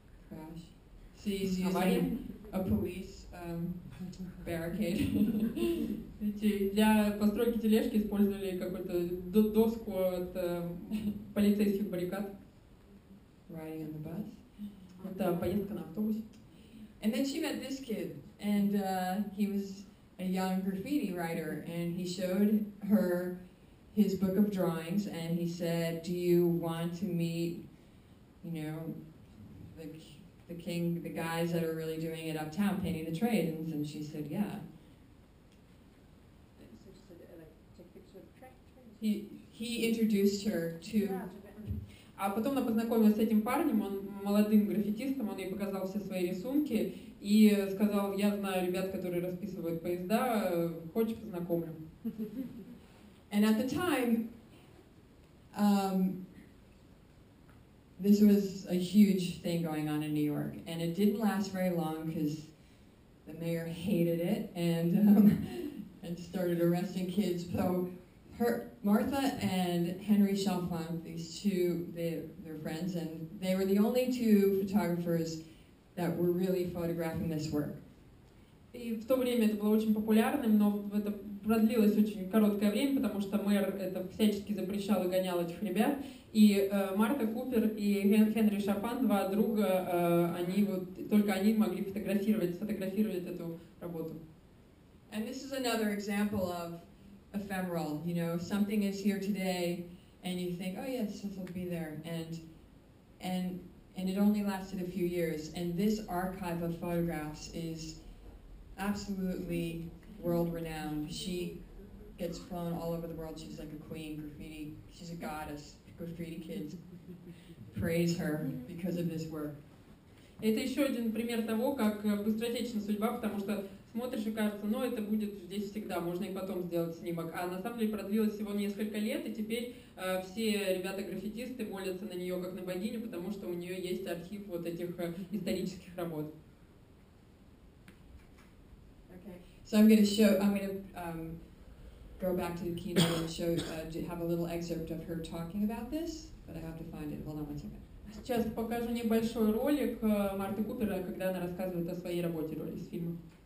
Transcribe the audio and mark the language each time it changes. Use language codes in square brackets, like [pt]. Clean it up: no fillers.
[en] So he's using a police barricade. [ru] Эти для постройки тележки использовали какую-то доску от полицейских баррикад. [en] Riding on the bus. [ru] Это поездка на автобусе. [en] And then she met this kid, and he was a young graffiti writer, and he showed her his book of drawings, and he said, "Do you want to meet, you know, the king, the guys that are really doing it uptown, painting the trains?" And she said, "Yeah." So just like take pictures of trains. He introduced her to. [ru] А потом она познакомилась с этим парнем, он молодым граффитистом, он ей показал все свои рисунки и сказал, я знаю ребят, которые расписывают поезда, хочешь познакомлю. [en] And at the time, this was a huge thing going on in New York, and it didn't last very long, because the mayor hated it and started arresting kids. So Martha and Henry Chalfon, these two, they're friends, and they were the only two photographers that were really photographing this work. [ru] И в то время это было очень популярным, но это продлилось очень короткое время, потому что мэр это всячески запрещал и гонял этих ребят. И Марта Купер и Хенри Шафан, два друга, они вот только они могли фотографировать эту работу. [en] And this is another example of ephemeral, you know, something is here today, and you think, oh yes, this will be there, and it only lasted a few years, and this archive of photographs is absolutely world-renowned. She gets flown all over the world, she's like a queen, graffiti, she's a goddess, graffiti kids praise her because of this work. [ru] Это еще один пример того, как быстротечна судьба, потому что смотришь и кажется, ну это будет здесь всегда, можно и потом сделать снимок. А на самом деле продлилось всего несколько лет, и теперь все ребята-граффитисты молятся на нее как на богиню, потому что у нее есть архив вот этих исторических работ. [en] Okay. So I'm going to show, I'm going to go back to the keynote and show, have a little excerpt of her talking about this, but I have to find it. Hold on one second. [ru] Сейчас покажу небольшой ролик Марты Купера, когда она рассказывает о своей работе роли из фильма.